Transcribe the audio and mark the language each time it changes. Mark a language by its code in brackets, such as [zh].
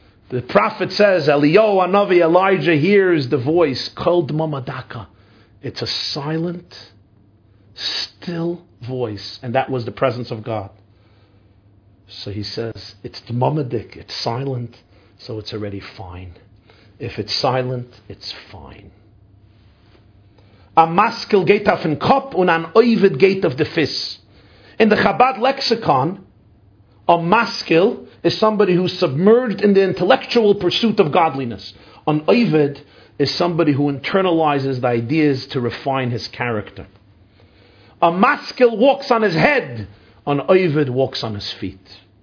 [en] The prophet says, Elio, Anavi, Elijah hears the voice, [he] kol d'mama daka. [en] It's a silent, still voice, and that was the presence of God. So he says, it's d'mama dik, it's silent, so it's already fine. If it's silent, it's fine. [yi] A maskil geht auf den Kopf und an oivet geht auf die Fiss. [en] In the Chabad lexicon, a maskil is somebody who's submerged in the intellectual pursuit of godliness. An oivet is somebody who internalizes the ideas to refine his character. A maskil walks on his head, an oivet walks on his feet.